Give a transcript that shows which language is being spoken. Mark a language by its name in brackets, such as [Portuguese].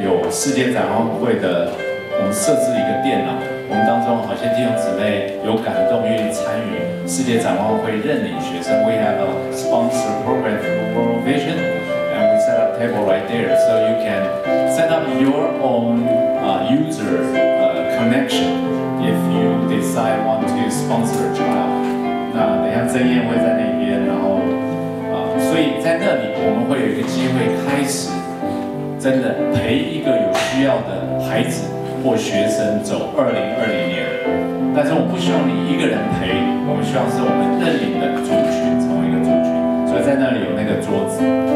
[Chinese] 世界展望会的，我们设置一个电脑，我们当中好些弟兄姊妹有感动，愿意参与世界展望会认领学生。 [English] We have a sponsor program for World Vision, and we set up table right there, so you can set up your own user connection if you decide want to sponsor a child. [Chinese] 那等一下曾燕会在那边，然后所以在那里我们会有一个机会开始。真的陪一个有需要的孩子或学生走2020年，但是我不希望你一个人陪，我们希望是我们认领的族群，成为一个族群，所以在那里有那个桌子。